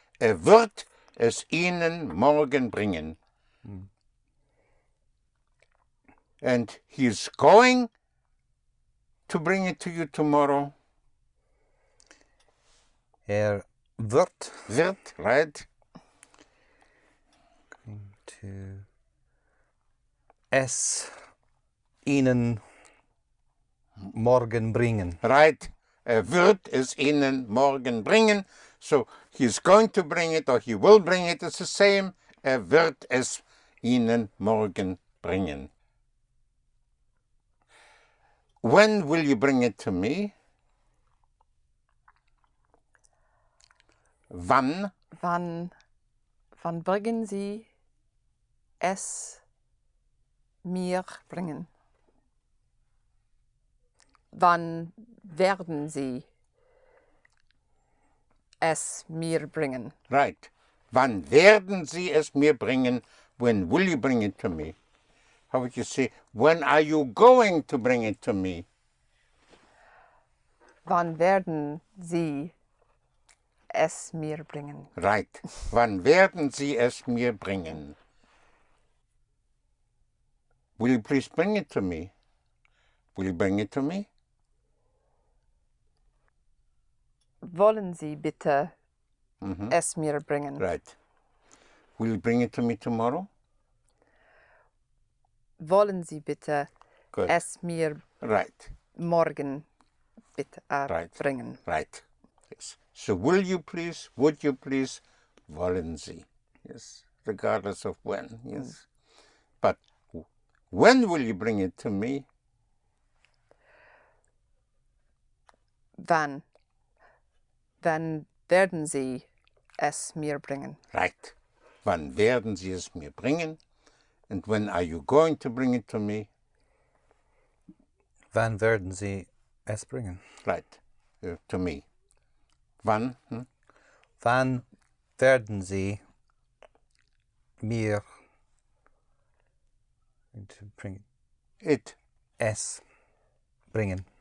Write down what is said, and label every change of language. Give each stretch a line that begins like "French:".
German: Wird es ihnen morgen bringen. Mm.
English: And he's going to bring it to you tomorrow.
German: Wird. Wird, right.
English: Going to
German: es ihnen morgen bringen.
English: Right.
German: Wird es ihnen morgen bringen.
English: So he's going to bring it or he will bring it. It's the same.
German: Wird es ihnen morgen bringen.
English: When will you bring it to me?
German: Wann? Wann bringen Sie es mir bringen? Wann werden Sie es mir bringen?
English: Right.
German: Wann werden Sie es mir bringen?
English: When will you bring it to me? How would you say, when are you going to bring it to me?
German: Wann werden Sie es mir bringen?
English: Right.
German: Wann werden Sie es mir bringen?
English: Will you please bring it to me? Will you bring it to me?
German: Wollen Sie bitte es mir bringen?
English: Right. Will you bring it to me tomorrow?
German: Wollen Sie bitte
English: Good.
German: Es mir
English: right.
German: morgen bitte right. bringen?
English: Right. Yes. So will you please, would you please,
German: wollen Sie?
English: Yes. Regardless of when. Yes. Mm. But when will you bring it to me?
German: Wann? Wann werden Sie es mir bringen?
English: Right.
German: Wann werden Sie es mir bringen?
English: And when are you going to bring it to me?
German: Wann werden Sie es bringen?
English: Right, to me. Wann?
German: Wann werden Sie mir
English: to bring it?
German: Es bringen.